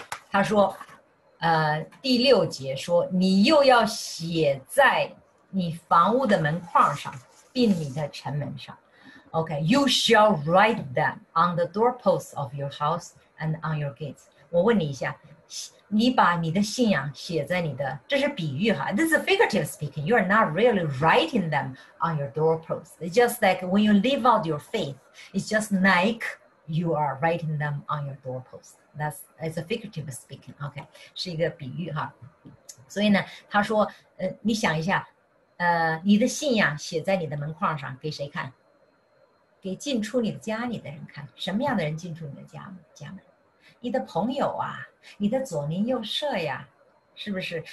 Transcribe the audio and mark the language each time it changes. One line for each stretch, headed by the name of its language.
Chinese: 他说，第六节说，你又要写在你房屋的门框上，并你的城门上。
English: OK, you shall write them on the doorposts of your house and on your gates.
Chinese: 我问你一下，你把你的信仰写在你的，这是比喻哈。
English: This is figurative speaking. You are not really writing them on your doorposts. It's just like when you live out your faith, it's just like you are writing them on your doorposts. It's a figurative speaking. OK,
Chinese: 是一个比喻哈。所以呢，他说，你想一下，你的信仰写在你的门框上，给谁看？给进出你的家里的人看，什么样的人进出你的家门？你的朋友啊，你的左邻右舍呀，是不是？